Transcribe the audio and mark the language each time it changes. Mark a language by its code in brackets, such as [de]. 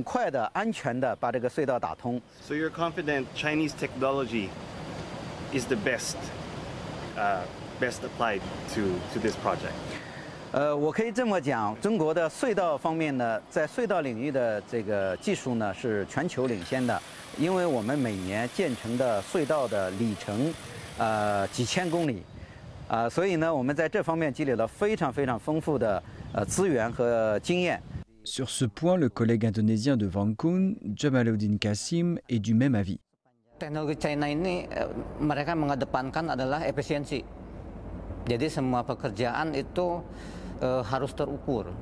[en] So you're confident Chinese technology is the best, best applied to this project? [zh] 我可以这么讲，中国的隧道方面呢，在隧道领域的这个技术呢是全球领先的，因为我们每年建成的隧道的里程，几千公里，所以呢，我们在这方面积累了非常非常丰富的资源和经验。 [fr] Sur ce point, le collègue indonésien de Wang Kun, Jamaluddin Kasim, est du même avis. [id] Teknologi China ini mereka mengedepankan adalah efisiensi. Jadi semua pekerjaan itu harus terukur.